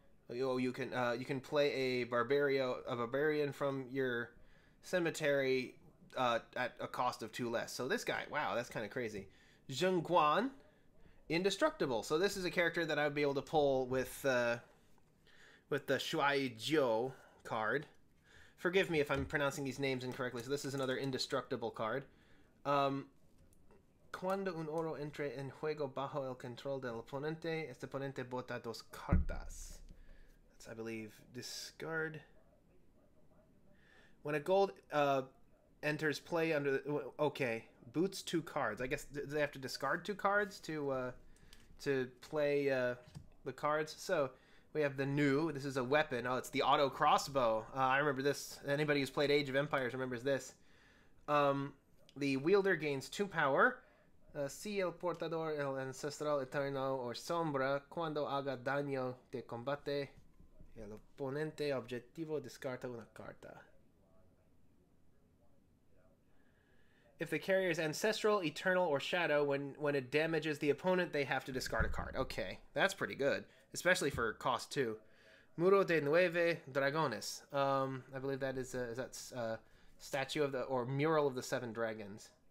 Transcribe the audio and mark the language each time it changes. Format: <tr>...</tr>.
<en>You can play a barbarian from your cemetery at a cost of 2 less. So this guy, wow, that's kind of crazy. Zheng Guan, indestructible. So this is a character that I would be able to pull with the Shuai Jiu card. Forgive me if I'm pronouncing these names incorrectly. So this is another indestructible card.</en> <es>Cuando un oro entre en juego bajo el control del oponente, este oponente bota 2 cartas.</es> <en>I believe discard. When a gold enters play under the, okay, boots 2 cards. I guess they have to discard 2 cards to play the cards. So we have the new. This is a weapon. Oh, it's the auto crossbow. I remember this. Anybody who's played Age of Empires remembers this. The wielder gains 2 power.</en> <es>Si el portador el ancestral eterno o sombra, cuando haga daño de combate, el oponente objetivo descarta una carta.</es> <en>If the carrier is ancestral, eternal, or shadow, when it damages the opponent, they have to discard a card. Okay, that's pretty good, especially for cost two.</en> <es>Muro de Nueve Dragones.</es> <en>I believe that is a statue of the, or mural of the seven dragons.</en>